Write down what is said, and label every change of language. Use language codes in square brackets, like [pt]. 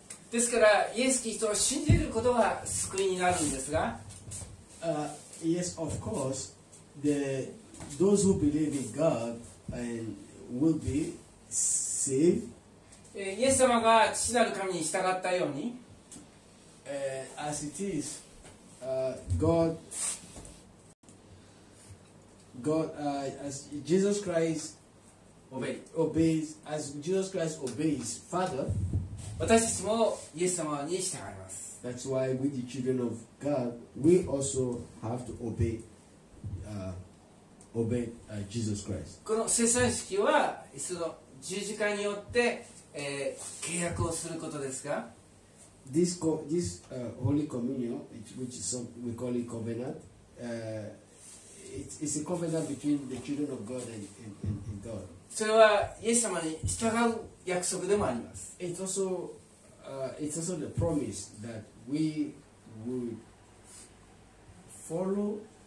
[ja] ですから、イエス・キリストを信じることが救いになるんですが、 [en] Yes, of course, the... Those who believe in God and will be saved. [ja] イエス様が父なる神に従ったように、 [en] as it is, God, God, as Jesus Christ obeys, as Jesus Christ obeys Father. [ja] 私たちもイエス様に従います。 [en] That's why we, the children of God, we also have to obey. Obey Jesus Christ. [ja] この聖餐式はその十字架によって、契約をすることですか。 [en] This Holy Communion, which is some, we call it covenant, it's a covenant between the children of God and God. [ja] それはイエス様に従う約束でもあります。 [en] It's also the promise that we would follow.